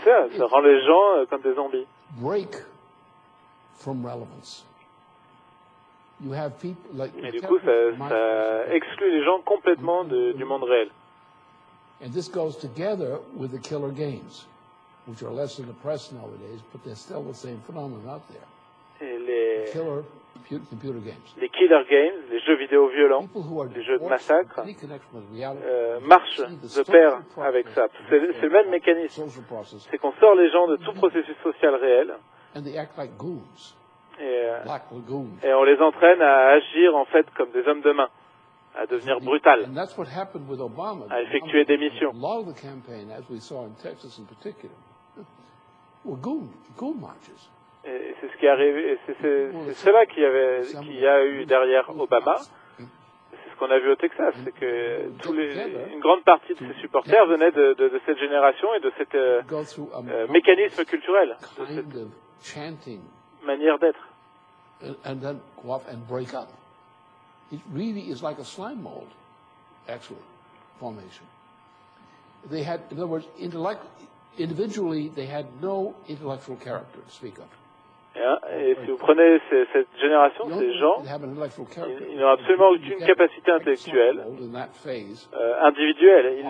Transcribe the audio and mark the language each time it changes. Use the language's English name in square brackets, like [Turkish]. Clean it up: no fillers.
[French] C'est ça, ça rend les gens comme des zombies. [English] Break from relevance. You have people like... [French] Mais du coup, ça exclut les gens complètement du monde réel. [English] And this goes together with the killer games. Which are less in the press nowadays, but they're still the same phenomenon out there. Killer games. [French] Les killer games, les jeux vidéo violents, les jeux de massacre, marchent de pair avec ça. C'est le même mécanisme. C'est qu'on sort les gens de tout processus social réel et on les entraîne à agir en fait comme des hommes de main, à devenir brutal, à effectuer des missions. [English] A lot of the campaign, as we saw in Texas in particular, were goon marches. [French] Et c'est ce qui est arrivé, c'est cela qui y a eu derrière Obama. C'est ce qu'on a vu au Texas, c'est que une grande partie de ses supporters venaient de cette génération et de cette mécanisme culturel, de cette manière d'être. [English] And then go off and break up. It really is like a slime mold, actual formation. They had, in other words, individually, they had no intellectual character to speak of. [French] Et si vous prenez cette génération, ces gens, ils n'ont absolument aucune capacité intellectuelle individuelle.